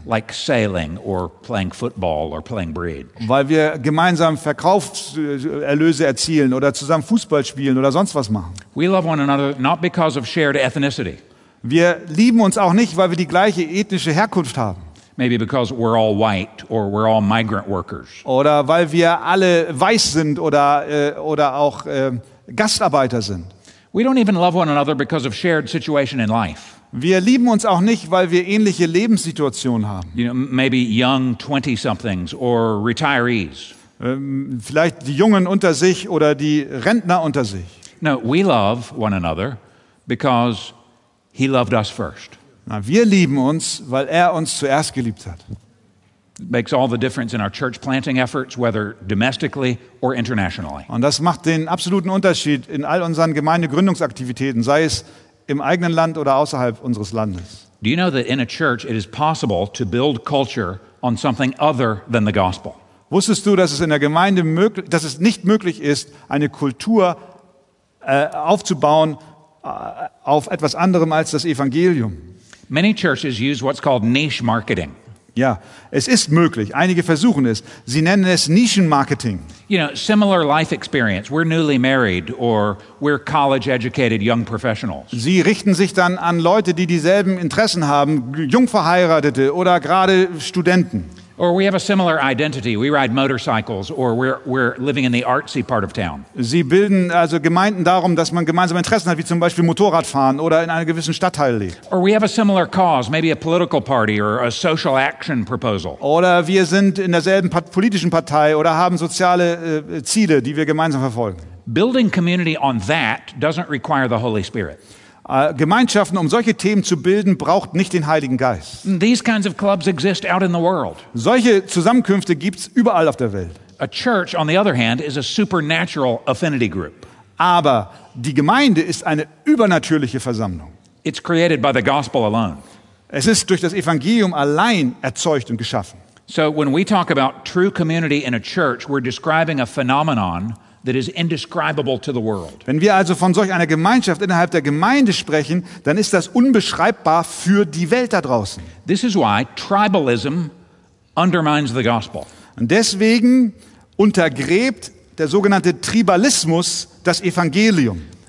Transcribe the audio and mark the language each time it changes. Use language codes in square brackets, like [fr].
[en] Like sailing or playing football or playing bridge. [de] Weil wir gemeinsam Verkaufserlöse erzielen oder zusammen Fußball spielen oder sonst was machen. [en] We love one another not because of shared ethnicity. [de] Wir lieben uns auch nicht, weil wir die gleiche ethnische Herkunft haben. [en] Maybe because we're all white or we're all migrant workers. [de] Oder weil wir alle weiß sind oder auch Gastarbeiter sind. [en] We don't even love one another because of shared situation in life. [de] Wir lieben uns auch nicht, weil wir ähnliche Lebenssituationen haben. [en] You know, maybe young 20-somethings or retirees. [de] Vielleicht die Jungen unter sich oder die Rentner unter sich. [en] No, we love one another because he loved us first. [de] Na, wir lieben uns, weil er uns zuerst geliebt hat. [en] Makes all the difference in our church planting efforts, whether domestically or internationally. [de] Und das macht den absoluten Unterschied in all unseren Gemeindegründungsaktivitäten, sei es im eigenen Land oder außerhalb unseres Landes. [en] Do you know that in a church it is possible to build culture on something other than the gospel? [de] Wusstest du, dass es in der Gemeinde dass es nicht möglich ist, eine Kultur aufzubauen auf etwas anderem als das Evangelium? [en] Many churches use what's called niche marketing. [de] Ja, es ist möglich. Einige versuchen es. Sie nennen es Nischenmarketing. [en] You know, similar life experience. We're newly married or we're college-educated young professionals. [de] Sie richten sich dann an Leute, die dieselben Interessen haben, Jungverheiratete oder gerade Studenten. [en] Or we have a similar identity. We ride motorcycles or we're living in the artsy part of town. [de] Sie bilden also Gemeinden darum, dass man gemeinsame Interessen hat, wie zum Beispiel Motorradfahren oder in einem gewissen Stadtteil lebt. [en] Or we have a similar cause, maybe a political party or a social action proposal. [de] Oder wir sind in derselben politischen Partei oder haben soziale Ziele, die wir gemeinsam verfolgen. [en] Building community on that doesn't require the Holy Spirit. [de] Gemeinschaften, um solche Themen zu bilden, braucht nicht den Heiligen Geist. [en] These kinds of clubs exist out in the world. [de] Solche Zusammenkünfte gibt's überall auf der Welt. [en] A church, on the other hand, is a supernatural affinity group. [de] Aber die Gemeinde ist eine übernatürliche Versammlung. [en] It's created by the gospel alone. [de] Es ist durch das Evangelium allein erzeugt und geschaffen. [en] So when we talk about true community in a church, we're describing a phenomenon that is indescribable to the world. [de] Wenn wir also von solch einer Gemeinschaft innerhalb der Gemeinde sprechen, dann ist das unbeschreibbar für die Welt da draußen. [en] This is why tribalism undermines the gospel. [de] Und deswegen untergräbt der sogenannte Tribalismus das Evangelium.